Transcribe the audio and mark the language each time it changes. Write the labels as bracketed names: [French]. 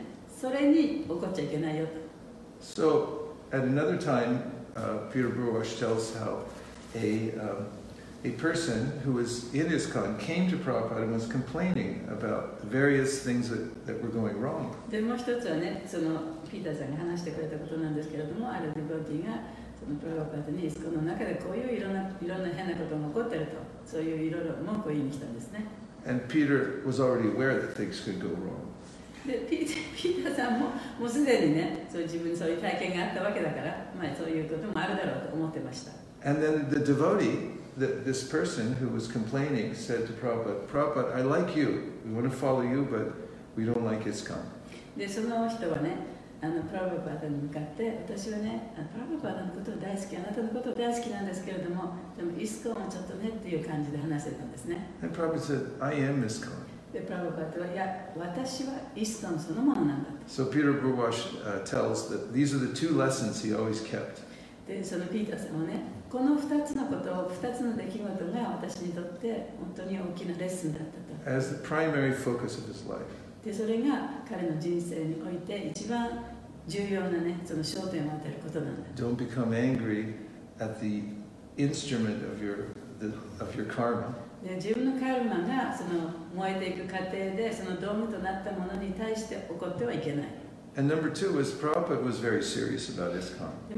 [English] So, at another time, Peter Burwash tells how a a person who was in ISKCON came to Prabhupada and was complaining about various things that were going wrong. [Japanese] でもう一つはね、そのピーターさんが話してくれたことなんですけれども、あるデボティがそのプラパートにこの中でこういういろんな変なことが起こっていると、そういういろいろ文句を言いに来たんですね。 [English] And Peter was already aware that things could go wrong. [Japanese] でピーターさんももうすでにね、そう自分にそういう体験があったわけだから、まあそういうこともあるだろうと思ってました。 [English] And then the devotee, this person who was complaining, said to Prabhupada, Prabhupada, I like you. We want to follow you, but we don't like ISKCON. [Japanese] で、その人はね、あの、プラヴァパダに向かって、私はね、プラヴァパダのことを大好き、あなたのことを大好きなんですけれども、でも、ISKCONはちょっとねっていう感じで話してたんですね。 [English] And Prabhupada said, I am ISKCON. [Japanese] で、プラヴァパダは、いや、私はISKCONそのものなんだ。 [English] So Peter Burwash tells that these are the two lessons he always kept. [Japanese] でそのピーターさんはね、この二つのこと、二つの出来事が私にとって本当に大きなレッスンだったと。 [English] As the primary focus of his life. [Japanese] でそれが彼の人生において一番重要なね、その焦点を当てることなんだ。 [English] Don't become angry at the instrument of your karma. [Japanese] で自分のカルマがその燃えていく過程でその道具となったものに対して怒ってはいけない。 [English] And number two was Prabhupada was very serious about ISKCON.